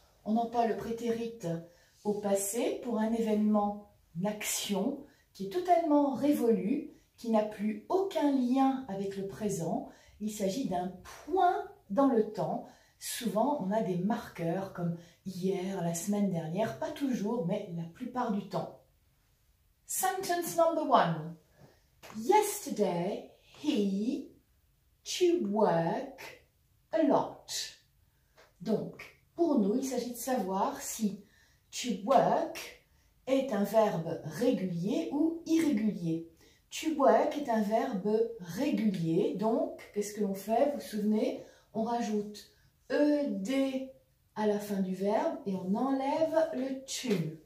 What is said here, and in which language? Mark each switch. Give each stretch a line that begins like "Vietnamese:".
French: On emploie le prétérit au passé pour un événement, une action qui est totalement révolue, qui n'a plus aucun lien avec le présent. Il s'agit d'un point dans le temps. Souvent, on a des marqueurs comme hier, la semaine dernière, pas toujours, mais la plupart du temps.
English: Sentence number one. Yesterday, he to work a lot.
French: Donc, pour nous, il s'agit de savoir si « to work » est un verbe régulier ou irrégulier. « To work » est un verbe régulier, donc qu'est-ce que l'on fait? Vous vous souvenez? On rajoute « ed » à la fin du verbe et on enlève le « to ».